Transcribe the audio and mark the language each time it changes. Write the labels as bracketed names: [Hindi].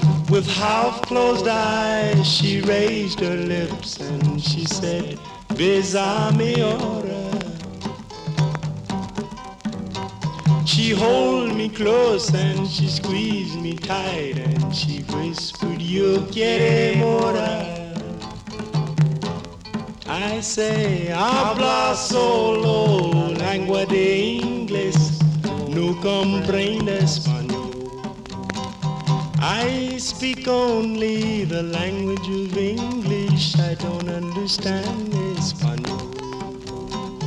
[English] With half-closed eyes, she raised her lips, and she said, [Spanish] besame ahora. [English] She held me close, and she squeezed me tight, and she whispered, [Spanish] yo quiero mora. I say, habla solo lengua de inglés, no comprende español. [English] I speak only the language of English, I don't understand español.